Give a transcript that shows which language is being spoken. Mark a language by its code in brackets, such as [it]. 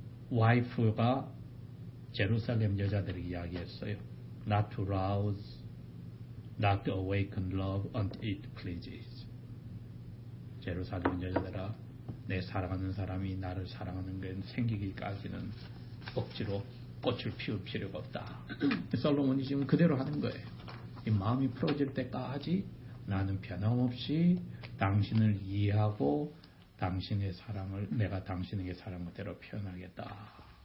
[ko] 와이프가 제루살렘 여자들에게 이야기했어요. [en] Not to rouse, not to awaken love until it pleases. [ko] 제루살렘 여자들아, 내 사랑하는 사람이 나를 사랑하는 건 생기기까지는 억지로 꽃을 피울 필요가 없다. 솔로몬이 지금 그대로 하는 거예요. 이 마음이 풀어질 때까지 나는 변함없이 당신을 이해하고 당신의 사랑을 내가 당신에게 사랑을 대로 표현하겠다.